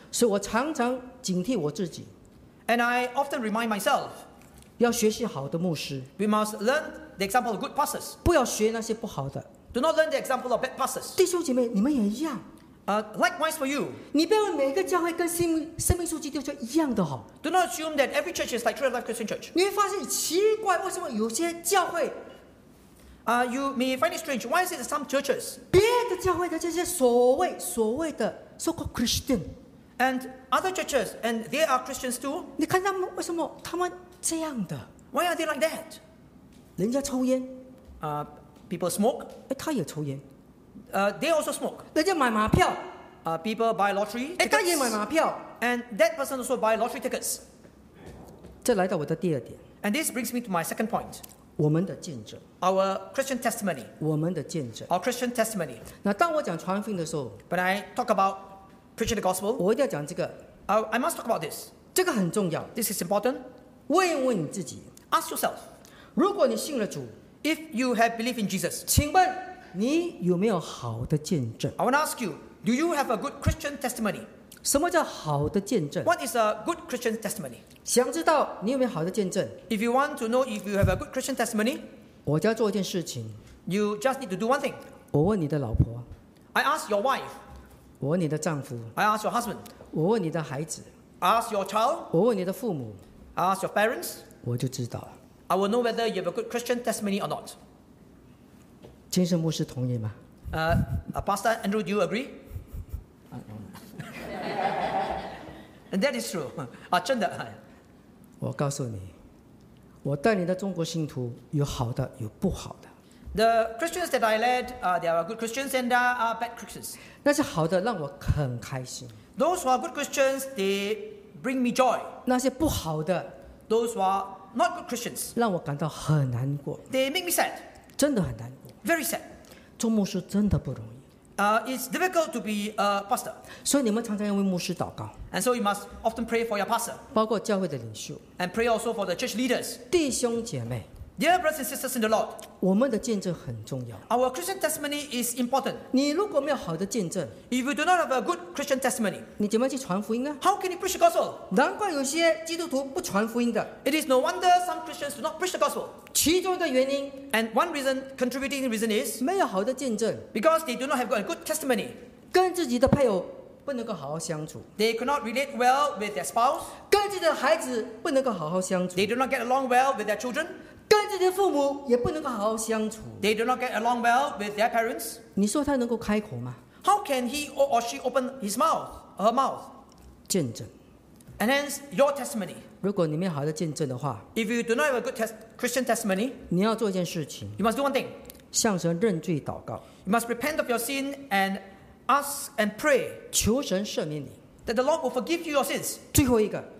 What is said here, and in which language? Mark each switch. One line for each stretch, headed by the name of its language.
Chinese: 所以我常常警惕我自己
English: ，and I often remind myself,
Chinese: 要学习好的牧师
English: ，we must learn. The example of good pastors.
Chinese: 不要学那些不好的。
English: Do not learn the example of bad pastors.
Chinese: 弟兄姐妹，你们也一样。
English: Likewise for you.
Chinese: 你不要每个教会跟生命树基督教一样的哈。
English: Do not assume that every church is like True Life Christian Church.
Chinese: 你会发现奇怪，为什么有些教会？
English: You may find it strange. Why is it some churches?
Chinese: 别的教会的这些所谓的
English: so-called Christian, and other churches, and they are Christians too.
Chinese: 你看他们为什么他们这样的
English: ？Why are they like that?
Chinese: 人家抽烟
English: people smoke.
Chinese: 哎，他也抽烟
English: they also smoke.
Chinese: 人家买马票
English: people buy lottery.
Chinese: 哎，他也买马票
English: and that person also buy lottery tickets.
Chinese: 这来到我的第二点
English: and this brings me to my second point.
Chinese: 我们的见证
English: our Christian testimony.
Chinese: 我们的见证
English: our Christian testimony.
Chinese: 那当我讲传福音的时候
English: when I talk about preaching the gospel,
Chinese: 我一定要讲这个
English: I must talk about this.
Chinese: 这个很重要
English: this is important.
Chinese: 问你自己
English: ask yourself.
Chinese: 如果你信了主
English: ，If you have believed in Jesus，
Chinese: 请问你有没有好的见证
English: ？I want to ask you, do you have a good Christian testimony？
Chinese: 什么叫好的见证？
English: What is a good Christian testimony?
Chinese: 想知道你有没有好的见证？
English: If you want to know if you have a good Christian testimony,
Chinese: 我就要做一件事情。
English: You just need to do one thing.
Chinese: 我问你的老婆。
English: I ask your wife.
Chinese: 我问你的丈夫。
English: I ask your husband.
Chinese: 我问你的孩子。
English: I ask your child.
Chinese: 我问你的父母。
English: I ask your parents.
Chinese: 我就知道。
English: I will know whether you have a good Christian testimony or not.
Chinese: 金圣牧师同意吗？
English: Pastor Andrew, do you agree? And that is true.
Chinese: 啊，真的。我告诉你，我带领的中国信徒有好的，有不好的。
English: The Christians that I led, they are good Christians and are bad Christians.
Chinese: 那些好的让我很开心。
English: Those who are good Christians, they bring me joy.
Chinese: 那些不好的
English: ，Those who are not good Christians,
Chinese: 让我感到很难过。
English: They make me sad.
Chinese: 真的很难过。
English: Very sad.
Chinese: 做牧师真的不容易。
English: It's difficult to be a pastor.
Chinese: 所以你们常常要为牧师祷告。
English: And so you must often pray for your pastor.
Chinese: 包括教会的领袖。
English: And pray also for the church leaders.
Chinese: 弟兄姐妹。
English: Dear brothers and sisters in the Lord.
Chinese: 我们的见证很重要。
English: Our Christian testimony is important.
Chinese: 你如果没有好的见证。
English: If you do not have a good Christian testimony.
Chinese: 你怎么去传福音呢？
English: How can you preach the gospel?
Chinese: 难怪有些基督徒不传福音的。
English: It is no wonder some Christians do not preach the gospel.
Chinese: 其中一个原因
English: ，and one reason, contributing reason is
Chinese: 没有好的见证
English: ，because they do not have a good testimony.
Chinese: 跟自己的配偶不能够好好相处
English: ，they cannot relate well with their spouse.
Chinese: 跟自己的孩子不能够好好相处
English: ，they do not get along well with their children.
Chinese: 跟自己的父母也不能够好好相处
English: ，they do not get along well with their parents.
Chinese: 你说他能够开口吗
English: ？How can he or she open his mouth, her mouth?
Chinese: 见证
English: ，and hence your testimony.
Chinese: 如果你没有好的见证的话
English: ，If you do not have a good Christian testimony，
Chinese: 你要做一件事情
English: ，You must do one thing，
Chinese: 向神认罪祷告
English: ，You must repent of your sin and ask and pray，
Chinese: 求神赦免你
English: ，That the Lord will forgive you your sins。
Chinese: 最后一个